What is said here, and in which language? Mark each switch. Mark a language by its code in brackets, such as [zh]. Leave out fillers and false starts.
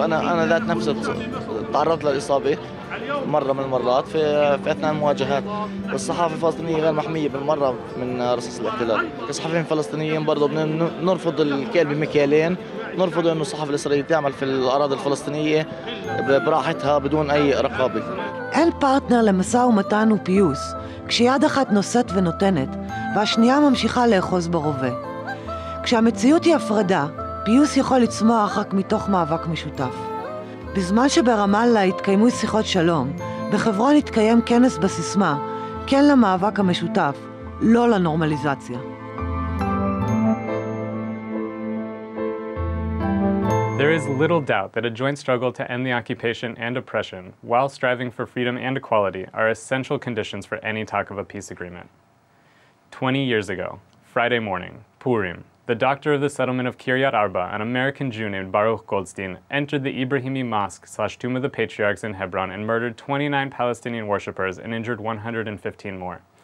[ar] أنا ذات نفسي تعرضت للإصابة مرة من المرات في أثناء المواجهات. الصحافة الفلسطينية غير محمية بالمرة من رصاص الاحتلال. الصحفيين الفلسطينيين برضو نرفض الكيل بمكيالين، نرفض أن الصحافة الإسرائيلية تعمل في الأراضي الفلسطينية براحتها بدون أي رقابة. [he] אל פרטנר למסע ומתן ופיוס, כשיד אחת נושאת ונותנת, והשנייה ממשיכה לאחוז ברובה. כשהמציאות היא הפרדה, פיוס יכול לצמוח רק מתוך מאבק משותף. בזמן שברמאללה התקיימו שיחות שלום, בחברון התקיים כנס בסיסמה, כן למאבק המשותף, לא לנורמליזציה. [en] There is little doubt that a joint struggle to end the occupation and oppression, while striving for freedom and equality, are essential conditions for any talk of a peace agreement. 20 years ago, Friday morning, Purim, the doctor of the settlement of Kiryat Arba, an American Jew named Baruch Goldstein, entered the Ibrahimi Mosque/Tomb of the Patriarchs in Hebron and murdered 29 Palestinian worshippers and injured 115 more.